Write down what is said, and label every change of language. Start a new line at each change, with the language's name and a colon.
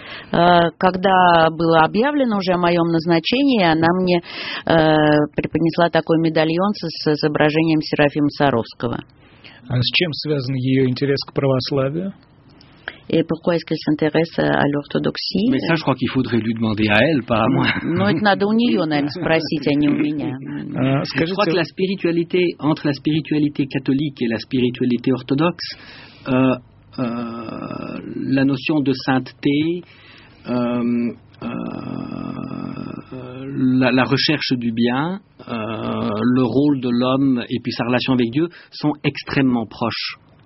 Russian: Когда было объявлено уже о моем назначении, она мне преподнесла такой медальон с изображением Серафима Саровского. А с чем связан ее интерес к православию?
French: Et pourquoi est-ce qu'elle s'intéresse à l'orthodoxie? Mais ça, je crois qu'il faudrait lui demander à elle, pas à moi.
Russian: Non, это надо у неё, наверное, спросить, а не у меня. Скажите,
French: je crois que la spiritualité, entre la spiritualité catholique et la spiritualité orthodoxe, la notion de sainteté, la recherche du bien, le rôle de l'homme et puis sa relation avec Dieu sont extrêmement proches.